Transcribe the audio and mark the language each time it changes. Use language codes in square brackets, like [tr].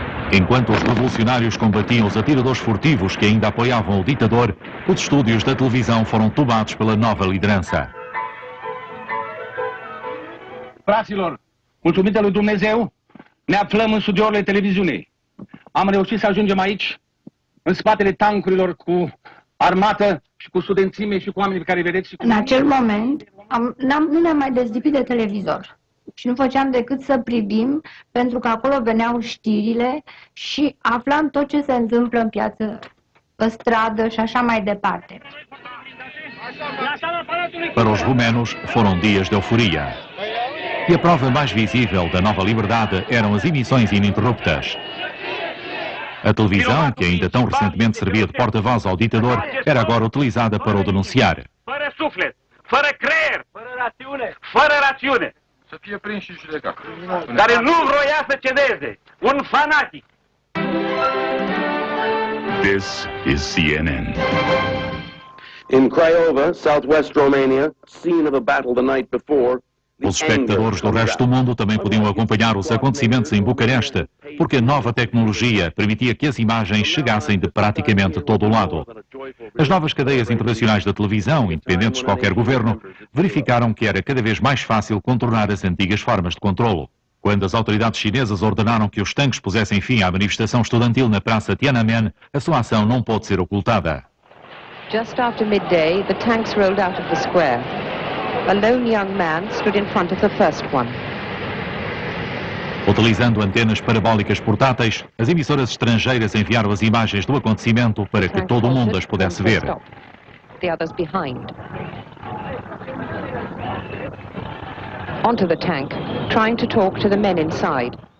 [pt] Enquanto os revolucionários combatiam os atiradores furtivos que ainda apoiavam o ditador, os estúdios da televisão foram tomados pela nova liderança. [ro] Fraților, mulțumită lui Dumnezeu, ne aflăm în studiourile televiziunii. Am reușit să ajungem aici, în spatele tancurilor cu armată și cu studențime și cu oamenii pe care vedeți. În acel moment, nu ne-am mai dezlipit de televizor. Și nu făceam decât să privim, pentru că acolo veneau știrile și aflam tot ce se întâmplă în piață, pe stradă și așa mai departe. [pt] Para os rumenos, foram dias de euforia. E a prova mais visível da nova liberdade eram as emissões ininterruptas. A televisão, que ainda tão recentemente servia de porta-voz ao ditador, era agora utilizada para o denunciar. [ro] Fără suflet, fără creier, fără rațiune, fără rațiune. Să fie prins și judecat. Dar nu vroia să cedeze. Un fanatic. [en] This is CNN. In Craiova, southwest Romania, scene of a battle the night before. [pt] Os espectadores do resto do mundo também podiam acompanhar os acontecimentos em Bucareste, porque a nova tecnologia permitia que as imagens chegassem de praticamente todo o lado. As novas cadeias internacionais da televisão, independentes de qualquer governo, verificaram que era cada vez mais fácil contornar as antigas formas de controlo. Quando as autoridades chinesas ordenaram que os tanques pusessem fim à manifestação estudantil na Praça Tiananmen, a sua ação não pôde ser ocultada. [en] Just after midday, the tanks rolled out of the square. A lone young man stood in front of the first one. [pt] Utilizando antenas parabólicas portáteis, as emissoras estrangeiras enviaram as imagens do acontecimento para que todo o mundo as pudesse ver. [en] The others behind. Onto the tank, trying to talk to the men inside.